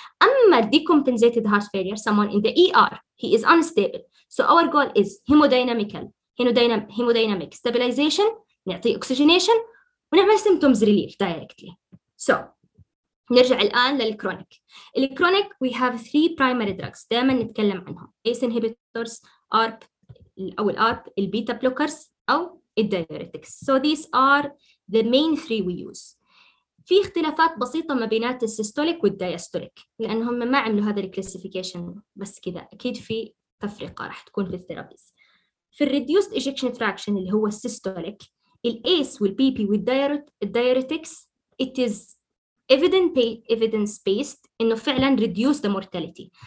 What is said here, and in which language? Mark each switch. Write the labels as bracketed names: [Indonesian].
[English] أما decompensated heart failure someone in the ER he is unstable so our goal is hemodynamical hemodynamic stabilization نعطي oxygenation ونعمل symptoms relief directly. [Arabic] So نرجع الآن للكرونيك. [English] الكرونيك we have three primary drugs [Arabic] دائما نتكلم عنهم [English] ACE inhibitors ARP أو الARP البيتا بلوكرز أو الديوريتكس. So these are the main three we use. [Arabic] في اختلافات بسيطة ما بينات السيستوليك والدايستوليك لأنهم ما عملوا هذا الكلاسيفيكيشن بس كذا أكيد في تفرقة راح تكون في الثيرابيز. في الريديوست إيجكشن فراكشن اللي هو السيستوليك الأيس والبيبي والدايوريتكس [English] it is evidence-based [Arabic] إنه فعلاً [English] reduce the mortality.